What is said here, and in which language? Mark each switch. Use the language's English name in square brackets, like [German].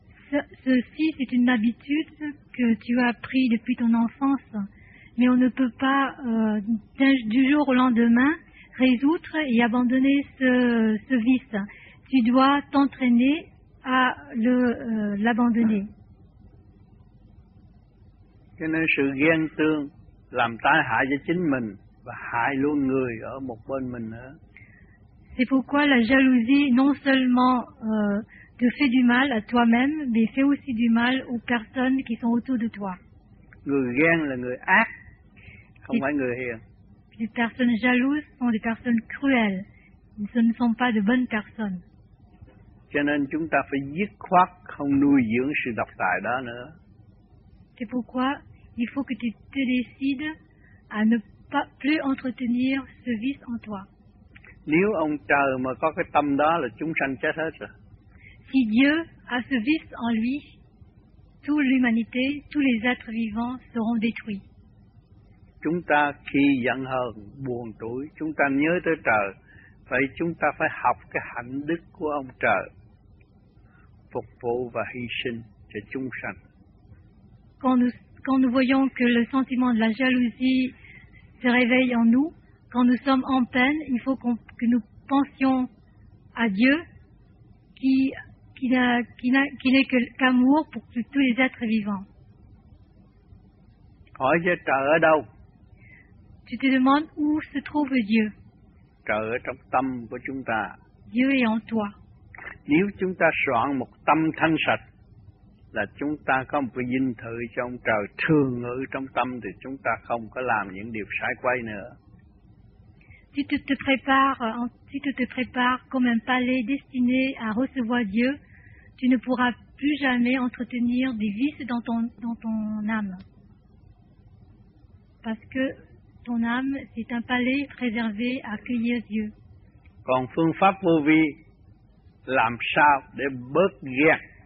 [French] Ceci, c'est une habitude que tu as pris depuis ton enfance. Mais on ne peut pas du jour au lendemain résoudre et abandonner ce vice. Tu dois t'entraîner à l'abandonner. [Vietnamese] Cho nên sự ghen tương làm tai hại cho chính mình và hại luôn người ở một bên mình nữa. [French] C'est pourquoi la jalousie non seulement te fait du mal à toi-même, mais fait aussi du mal aux personnes qui sont autour de toi. [Vietnamese] Người ghen là người ác, không phải người hiền. [French] Les personnes jalouses sont des personnes cruelles. Ce ne sont pas de bonnes personnes. [Vietnamese] Cho nên chúng ta phải dứt khoát không nuôi dưỡng sự độc tài đó nữa. [French] C'est pourquoi il faut que tu te décides à ne pas plus entretenir ce vice en toi. [Vietnamese] Nếu ông trời mà có cái tâm đó là chúng sanh chết hết rồi. [French] Si Dieu a ce vice en lui, toute l'humanité, tous les êtres vivants seront détruits. [Vietnamese] Chúng ta khi giận hờn, buồn tủi, chúng ta nhớ tới trời, vậy chúng ta phải học cái hạnh đức của ông trời, phục vụ và hy sinh cho chúng sanh. [French] Quand nous voyons que le sentiment de la jalousie se réveille en nous, quand nous sommes en peine, il faut que nous pensions à Dieu qui n'est que l'amour pour tous les êtres vivants. [Vietnamese] Hỏi cho trời ở đâu? [French] Tu te demandes où se trouve Dieu? [Vietnamese] Trời ở trong tâm của chúng ta. [French] Dieu est en toi. [Vietnamese] Nếu chúng ta soạn một tâm thanh sạch, là chúng ta có một cái dinh thự cho ông trời thường ở trong tâm, thì chúng ta không có làm những điều sai quay nữa. [French] Si tu te prépares, comme un palais destiné à recevoir Dieu, tu ne pourras plus jamais entretenir des vices dans ton âme, parce que ton âme c'est un palais réservé à accueillir Dieu. [Vietnamese] Còn phương pháp vô vi làm sao để bớt ghét?